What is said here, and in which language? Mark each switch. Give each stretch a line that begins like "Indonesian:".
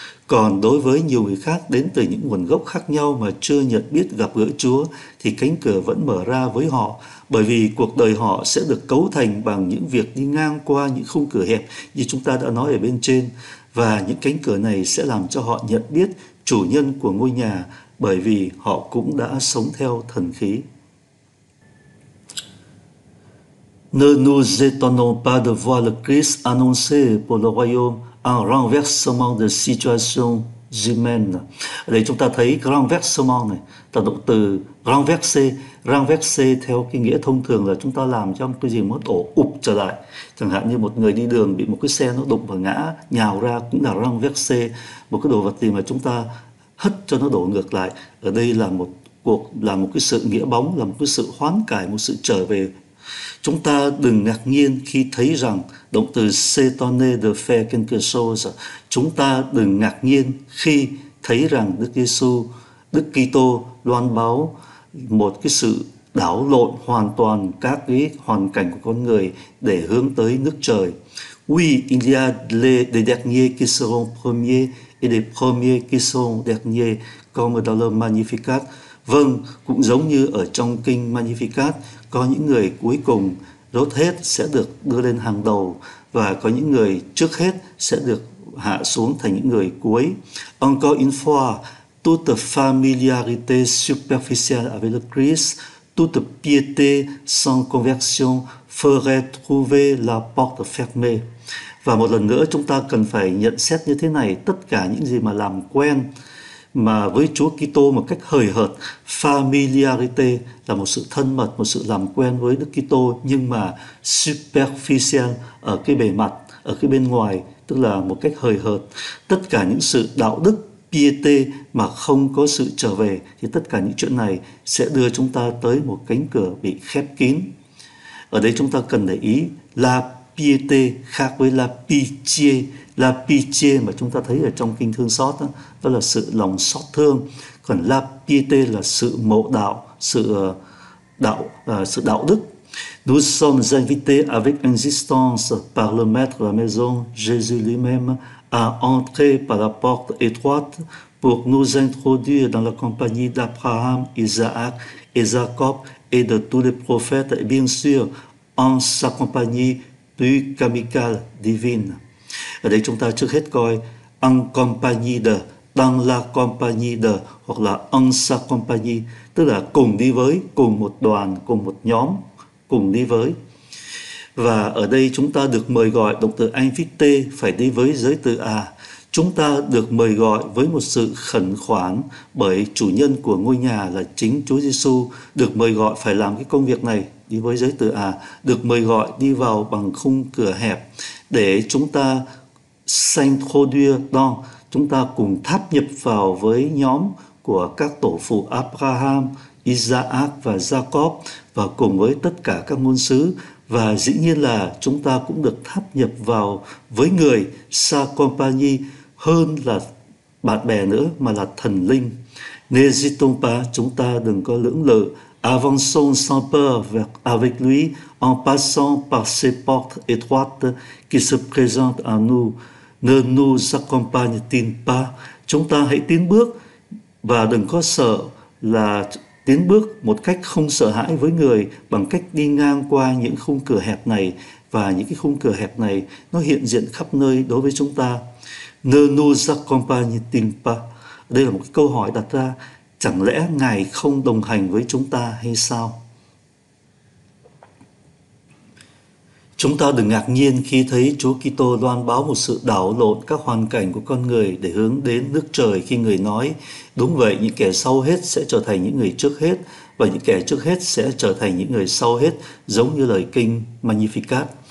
Vietnamese: Còn đối với nhiều người khác đến từ những nguồn gốc khác nhau mà chưa nhận biết gặp gỡ Chúa thì cánh cửa vẫn mở ra với họ, bởi vì cuộc đời họ sẽ được cấu thành bằng những việc đi ngang qua những khung cửa hẹp như chúng ta đã nói ở bên trên, và những cánh cửa này sẽ làm cho họ nhận biết chủ nhân của ngôi nhà bởi vì họ cũng đã sống theo thần khí.
French: Ne nous étonnons pas de voir le Christ annoncé pour le royaume un renversement de situation humaine.
Vietnamese: Ở đây chúng ta thấy renversement này, ta động từ renverser. Renverser theo cái nghĩa thông thường là chúng ta làm cho một cái gì mất ổ ụp trở lại. Chẳng hạn như một người đi đường bị một cái xe nó đụng và ngã nhào ra cũng là renverser, một cái đồ vật gì mà chúng ta hất cho nó đổ ngược lại. Ở đây là một cuộc, là một cái sự nghĩa bóng, là một cái sự hoán cải, một sự trở về. Chúng ta đừng ngạc nhiên khi thấy rằng động từ
French: s'étonner de faire quelque chose,
Vietnamese: chúng ta đừng ngạc nhiên khi thấy rằng Đức Giêsu, Đức Kitô loan báo một cái sự đảo lộn hoàn toàn các cái hoàn cảnh của con người để hướng tới nước trời.
French: Oui, il y a les derniers qui seront premiers et les premiers qui seront derniers, comme dans le Magnificat.
Vietnamese: Vâng, cũng giống như ở trong kinh Magnificat, có những người cuối cùng rốt hết sẽ được đưa lên hàng đầu và có những người trước hết sẽ được hạ xuống thành những người cuối.
French: Encore une fois, toute familiarité superficielle avec le Christ, toute piété sans conversion ferait trouver la porte fermée.
Vietnamese: Và một lần nữa chúng ta cần phải nhận xét như thế này, tất cả những gì mà làm quen mà với Chúa Kitô một cách hời hợt, familiarité là một sự thân mật, một sự làm quen với Đức Kitô, nhưng mà superficial ở cái bề mặt, ở cái bên ngoài, tức là một cách hời hợt, tất cả những sự đạo đức piété mà không có sự trở về thì tất cả những chuyện này sẽ đưa chúng ta tới một cánh cửa bị khép kín. Ở đây chúng ta cần để ý la piété khác với la pitié. La pitié mà chúng ta thấy ở trong kinh thương xót đó, đó là sự lòng xót thương. Còn la pitié là sự mộ đạo, sự đạo đức.
French: Nous sommes invités avec insistance par le maître de la maison, Jésus lui-même, à entrer par la porte étroite pour nous introduire dans la compagnie d'Abraham, Isaac et Jacob et de tous les prophètes, et bien sûr, en sa compagnie plus qu'amicale divine.
Vietnamese: Ở đây chúng ta trước hết coi
French: en compagnie de, dans la compagnie de,
Vietnamese: hoặc là
French: en sa compagnie,
Vietnamese: tức là cùng đi với, cùng một đoàn, cùng một nhóm, cùng đi với. Và ở đây chúng ta được mời gọi, động từ invité phải đi với giới từ à. Chúng ta được mời gọi với một sự khẩn khoản bởi chủ nhân của ngôi nhà là chính Chúa Giêsu, được mời gọi phải làm cái công việc này, đi với giới từ à, được mời gọi đi vào bằng khung cửa hẹp để chúng ta
French: s'introduire dans,
Vietnamese: chúng ta cùng tháp nhập vào với nhóm của các tổ phụ Abraham, Isaac và Jacob và cùng với tất cả các ngôn sứ. Và dĩ nhiên là chúng ta cũng được tháp nhập vào với người
French: sa compagnie
Vietnamese: hơn là bạn bè nữa, mà là thần linh.
French: N'hésitons pas,
Vietnamese: chúng ta đừng có lưỡng lự.
French: Avançons sans peur avec lui en passant par ces portes étroites qui se présentent à nous. Ne nous accompagne-t-il pas?
Vietnamese: Chúng ta hãy tiến bước và đừng có sợ, là tiến bước một cách không sợ hãi với người bằng cách đi ngang qua những khung cửa hẹp này, và những cái khung cửa hẹp này nó hiện diện khắp nơi đối với chúng ta.
French: Ne nous accompagne-t-il pas?
Vietnamese: Đây là một câu hỏi đặt ra, chẳng lẽ Ngài không đồng hành với chúng ta hay sao? Chúng ta đừng ngạc nhiên khi thấy Chúa Kitô loan báo một sự đảo lộn các hoàn cảnh của con người để hướng đến nước trời khi Người nói, đúng vậy, những kẻ sau hết sẽ trở thành những người trước hết và những kẻ trước hết sẽ trở thành những người sau hết, giống như lời kinh Magnificat.